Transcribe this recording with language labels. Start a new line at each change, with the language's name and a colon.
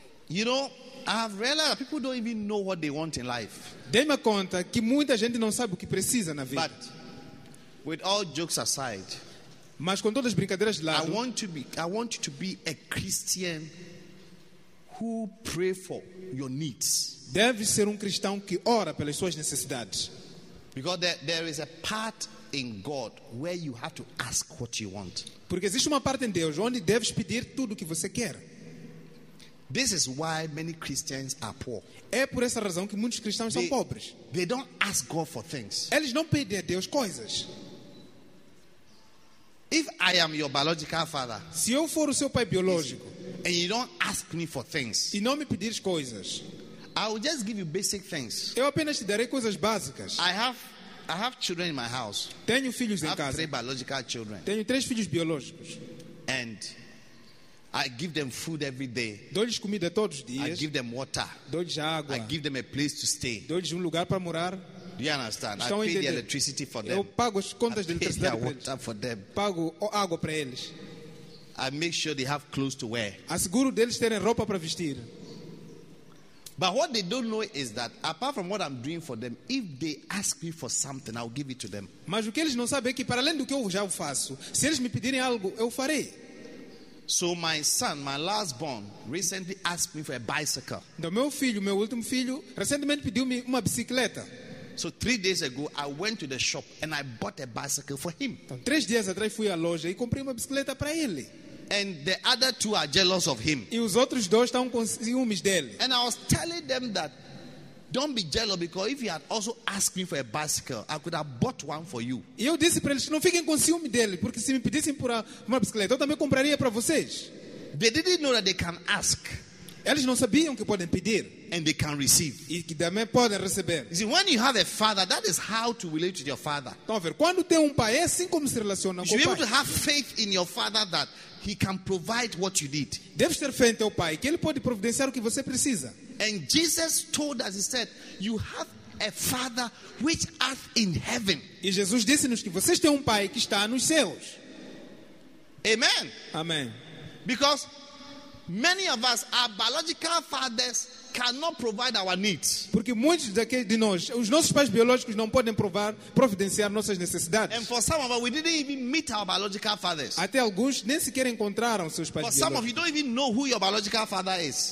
English: You know, I've realized that people don't even know what they want in life.
Portuguese: Dê-me conta que muita gente não sabe o que precisa na vida.
English: But with all jokes aside,
Portuguese: mas com todas as brincadeiras de lado,
English: I want you to be a Christian who pray for your needs.
Portuguese: Deve ser cristão que ora pelas suas necessidades.
English: Because there is a part in God where you have to ask what you want.
Portuguese: Porque existe uma parte em Deus onde deves pedir tudo o que você quer.
English: This is why many Christians are poor.
Portuguese: É por essa razão que muitos cristãos são pobres.
English: They don't ask God for things.
Portuguese: Eles não pedem a Deus coisas.
English: If I am your biological father,
Portuguese: se eu for o seu pai biológico,
English: and you don't ask me for things,
Portuguese: e não me pedires coisas,
English: I will just give you basic things.
Portuguese: Eu apenas te darei coisas básicas.
English: I have children in my house.
Portuguese: Tenho filhos em casa.
English: Three biological children.
Portuguese: Tenho três filhos biológicos.
English: And I give them food every day.
Portuguese: Dou-lhes comida todos os dias.
English: I give them water.
Portuguese: Dou-lhes água.
English: I give them a place to stay.
Portuguese: Dou-lhes lugar para morar.
English: Do you understand? I pay the electricity for them.
Portuguese: Eu pago as contas de eletricidade.
English: I pay their water for them.
Portuguese: Pago água para eles.
English: I make sure they have clothes to wear.
Portuguese: Asseguro deles terem roupa para vestir.
English: But what they don't know is that apart from what I'm doing for them, if they ask me for something, I'll give it to them.
Portuguese: Mas o que eles não sabem é que para além do que eu já faço, se eles me pedirem algo, eu farei.
English: So my son, my last born, recently asked me for a bicycle.
Portuguese: Então meu filho, meu último filho, recentemente pediu-me uma bicicleta.
English: So 3 days ago, I went to the shop and I bought a bicycle for him.
Portuguese: Então, 3 dias atrás fui à loja e comprei uma bicicleta para ele.
English: And the other two are jealous of him.
Portuguese: E os outros dois estão com ciúmes dele.
English: And I was telling them that don't be jealous because if he had also asked me for a bicycle, I could have bought one for you.
Portuguese: E eu disse para eles, não fiquem com ciúme dele, porque se me pedissem por uma bicicleta, eu também compraria para vocês.
English: They didn't know that they can ask.
Portuguese: Eles não sabiam que podem pedir.
English: And they can receive.
Portuguese: E que também podem receber.
English: You see, when you have a father, that is how to relate with your father.
Portuguese: Então, a ver, quando tem pai, é assim como se relaciona com o pai.
English: You should be able to have faith in your father that he can provide what you need.
Portuguese: Deve ter fé em teu pai, que ele pode providenciar o que você precisa.
English: And Jesus told us, he said, you have a father which art in heaven.
Portuguese: E Jesus disse-nos que vocês têm pai que está nos céus.
English: Amen.
Portuguese: Amém.
English: Because many of us, our biological fathers cannot provide our needs.
Portuguese: Porque muitos de nós, os nossos pais biológicos não podem providenciar nossas necessidades.
English: And for some of us, we didn't even meet our biological fathers.
Portuguese: Até alguns nem sequer encontraram seus pais biológicos.
English: For some of you, don't even know who your biological father is.